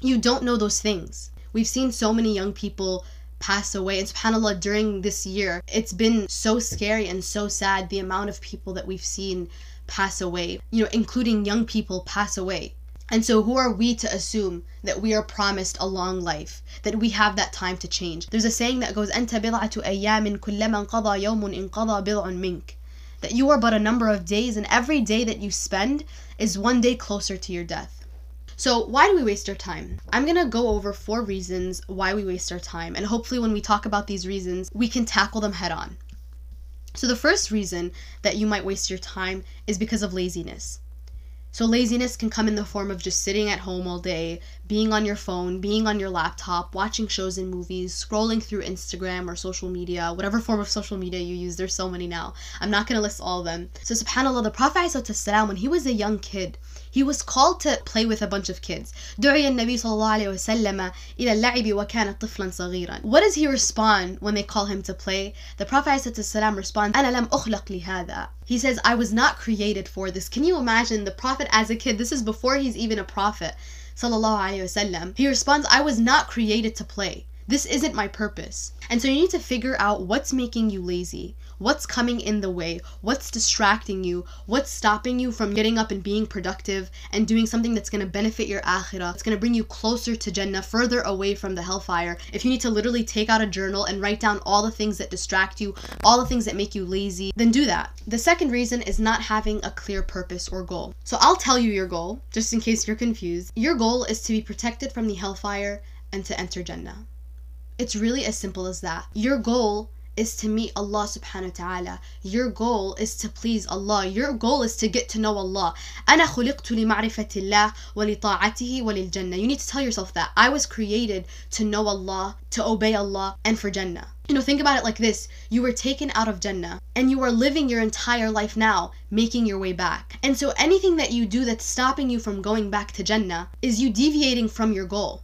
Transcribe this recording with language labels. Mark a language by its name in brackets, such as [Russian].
[English] You don't know those things. We've seen so many young people pass away. And subhanAllah, during this year, it's been so scary and so sad, the amount of people that we've seen pass away, you know, including young people pass away. And so who are we to assume that we are promised a long life, that we have that time to change? There's a saying that goes, [Arabic] أنت بضعة أيام كلما انقضى يوم انقضى بضع منك. [English] That you are but a number of days, and every day that you spend is one day closer to your death. So why do we waste our time? I'm gonna go over four reasons why we waste our time, and hopefully when we talk about these reasons, we can tackle them head on. So the first reason that you might waste your time is because of laziness. So laziness can come in the form of just sitting at home all day, being on your phone, being on your laptop, watching shows and movies, scrolling through Instagram or social media, whatever form of social media you use. There's so many now. I'm not going to list all of them. So subhanAllah, the Prophet ﷺ, when he was a young kid, he was called to play with a bunch of kids. [Arabic] دعي النبي صلى الله عليه وسلم إلى اللعب وكان طفلا صغيرا. [English] What does he respond when they call him to play? The Prophet ﷺ responds, [Arabic] أنا لم أخلق لهذا. [English] He says, I was not created for this. Can you imagine the Prophet as a kid? This is before he's even a prophet, sallallahu alayhi wasallam. He responds, I was not created to play. This isn't my purpose. And so you need to figure out what's making you lazy. What's coming in the way? What's distracting you? What's stopping you from getting up and being productive and doing something that's going to benefit your akhirah? It's going to bring you closer to Jannah, further away from the hellfire. If you need to literally take out a journal and write down all the things that distract you, all the things that make you lazy, then do that. The second reason is not having a clear purpose or goal. So I'll tell you your goal, just in case you're confused. Your goal is to be protected from the hellfire and to enter Jannah. It's really as simple as that. Your goal is to meet Allah subhanahu wa ta'ala. Your goal is to please Allah. Your goal is to get to know Allah. [Arabic] أنا خلقت لمعرفة الله ولطاعته وللجنة. [English] You need to tell yourself that. I was created to know Allah, to obey Allah, and for Jannah. You know, think about it like this. You were taken out of Jannah and you are living your entire life now, making your way back. And so anything that you do that's stopping you from going back to Jannah is you deviating from your goal.